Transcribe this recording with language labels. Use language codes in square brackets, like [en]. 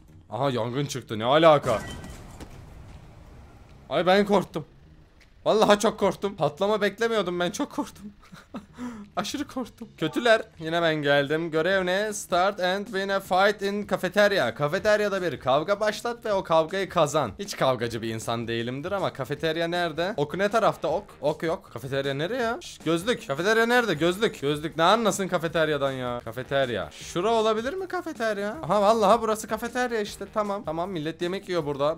[tr] Aha yangın çıktı ne alaka? Ay ben korktum. Vallahi çok korktum. Patlama beklemiyordum ben çok korktum. Aşırı korktum. Kötüler, yine ben geldim. Görev ne? [en] Start and win a fight in cafeteria. [tr] Kafeteryada bir kavga başlat ve o kavgayı kazan. Hiç kavgacı bir insan değilimdir ama kafeterya nerede? Ok ne tarafta? Ok. Ok yok. Kafeterya nereye ya? Gözlük. Kafeterya nerede? Gözlük. Gözlük ne anlasın kafeteryadan ya? Kafeterya. Şura olabilir mi kafeterya? Aha vallahi burası kafeterya işte. Tamam. Tamam, millet yemek yiyor burada.